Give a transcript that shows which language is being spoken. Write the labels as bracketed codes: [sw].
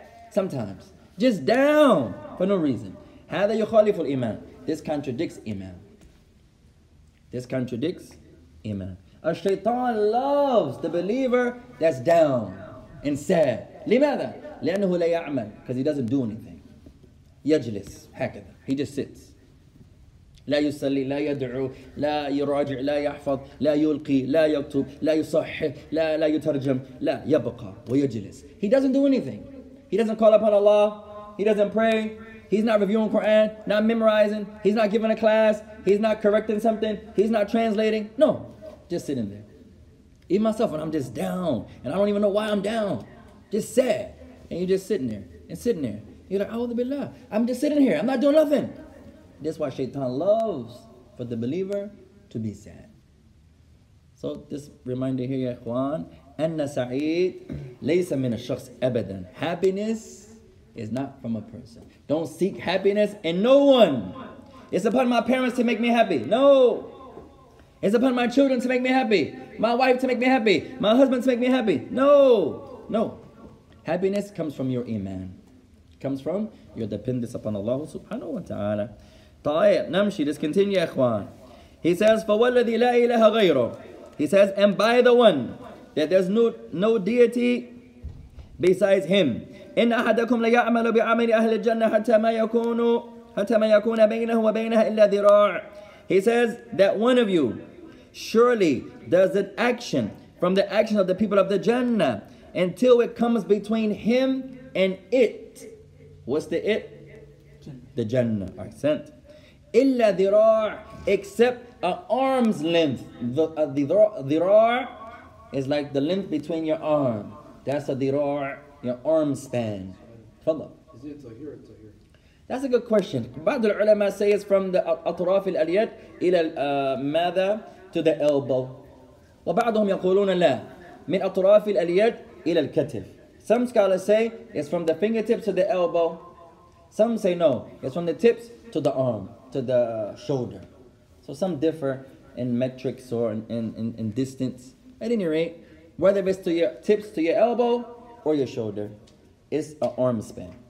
[en] Sometimes. Just down for no reason. [ar] Hada yukhaliful iman. [en] This contradicts iman. This contradicts iman. A shaitan loves the believer that's down and sad. [ar] لماذا؟ لأنه لا يعمل. [en] Because he doesn't do anything. [ar] يجلس هكذا. [en] He just sits. [ar] لا يصلي لا يدعو لا يراجع لا يحفظ لا يلقي لا يكتب لا يصحح لا يترجم لا يبقى ويجلس. [en] He doesn't do anything. He doesn't call upon Allah. He doesn't pray. He's not reviewing Quran, not memorizing. He's not giving a class. He's not correcting something. He's not translating. No, just sitting there. Even myself, when I'm just down, and I don't even know why I'm down. Just sad. And you're just sitting there, and sitting there. You're like, A'udhu Billah, I'm just sitting here. I'm not doing nothing. That's why Shaitan loves for the believer to be sad. So this reminder here, Ya Ikhwan, [ar] أَنَّ سَعِيد لَيْسَ مِنَ الشَّخْص أَبَدًا. [en] Happiness is not from a person. Don't seek happiness in no one. It's upon my parents to make me happy. No. It's upon my children to make me happy. My wife to make me happy. My husband to make me happy. No. No. Happiness comes from your iman. It comes from your dependence upon Allah subhanahu wa ta'ala. [ar] طيب نمشي. [en] Let's continue, ikhwan. He says, [ar] فَوَالَّذِي لَا إِلَهَ غَيْرُ. [en] He says, and by the one that there's no deity besides him. [ar] إن أحدكم ليعمل بعمل أهل الجنة حتى ما يكون بينه وبينها إلا ذراع. [en] He says that one of you surely does an action from the action of the people of the Jannah until it comes between him and it. What's the it? The Jannah. Accent. [ar] إلا ذراع, [en] except an arm's length. The ذراع is like the length between your arm. That's a ذراع. Your arm span. Tafadhal. Is it tahir or tahir? That's a good question. [ar] بعض العلماء [en] say it's from the [ar] أطراف اليد إلى ماذا [en] to the elbow. [ar] وبعضهم يقولون لا من أطراف اليد إلى الكتف. [en] Some scholars say it's from the fingertips to the elbow. Some say no, it's from the tips to the arm, to the shoulder. So some differ in metrics or in distance. At any rate, whether it's to your tips to your elbow or your shoulder, it's an arm span.